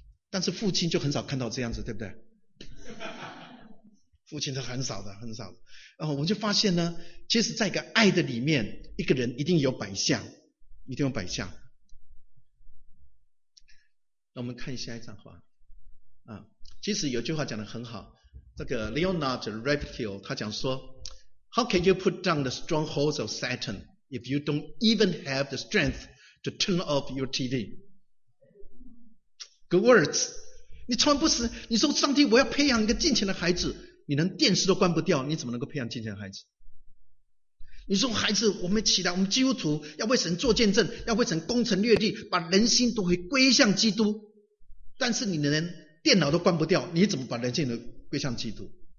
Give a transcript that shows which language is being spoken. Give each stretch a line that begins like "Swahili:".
Chinese: 但是父亲就很少看到这样子，对不对？父亲是很少的，很少的。然后我们就发现呢，其实在一个爱的里面，一个人一定有百相，一定有百相。那我们看下一张画。其实有句话讲得很好，这个 Leonard Reptile 他讲说
English: How can you put down the strongholds of Satan if you don't even have the strength to turn off your TV? Good words.
Chinese: 你从来不是，你说上帝我要培养一个敬虔的孩子，你连电视都关不掉，你怎么能够培养敬虔的孩子？你说孩子，我们起来，我们基督徒要为神做见证，要为神攻城略地，把人心都会归向基督，但是你连电脑都关不掉，你怎么把人心都归向基督？